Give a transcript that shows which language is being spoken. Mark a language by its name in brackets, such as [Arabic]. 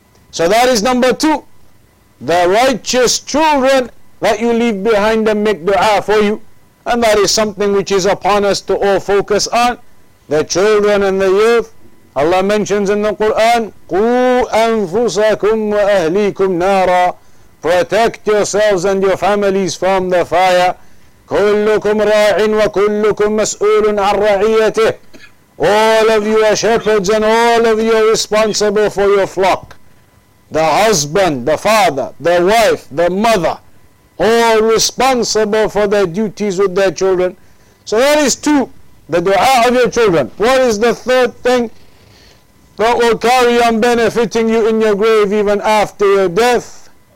[English] So that is number two. The righteous children that you leave behind them make dua for you. And that is something which is upon us to all focus on. The children and the youth. Allah mentions in the Quran, [Arabic] قُوْ أَنفُسَكُمْ وَأَهْلِيكُمْ نَارًا. [English] Protect yourselves and your families from the fire. [Arabic] كلكم راع وكلكم مسؤول عن رعيته. [English] All of you are shepherds and all of you are responsible for your flock. The husband, the father, the wife, the mother, all responsible for their duties with their children. So that is two, the dua of your children. What is the third thing that will carry on benefiting you in your grave even after your death?